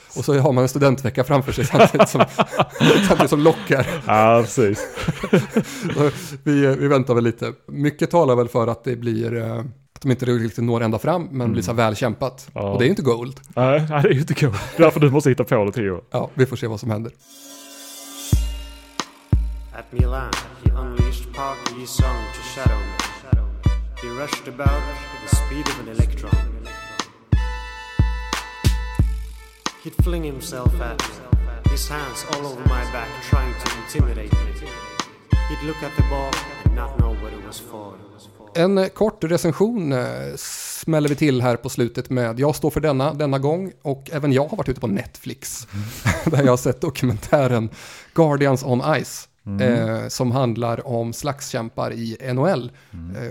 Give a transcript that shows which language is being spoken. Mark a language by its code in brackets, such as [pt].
[sv] Och så har man en studentvecka framför sig samtidigt som lockar. Ja, precis. vi väntar väl lite. Mycket talar väl för att det blir, att de inte riktigt når ända fram, men blir så väl kämpat. Ja. Och det är ju inte gold. Nej, det är ju inte gold. Det är därför du måste hitta på det, Theo. Ja, vi får se vad som händer. [en] At Milan, he unleashed Park Yi-sung to shadow me. He rushed about at the speed of an electron. He'd fling himself at me, his hands all over my back trying to intimidate me. He'd look at the ball and not know what it was for. [sv] En kort recension smäller vi till här på slutet med. Jag står för denna gång, och även jag har varit ute på Netflix där jag har sett dokumentären Guardians on Ice. Som handlar om slagskämpar i NHL. Mm.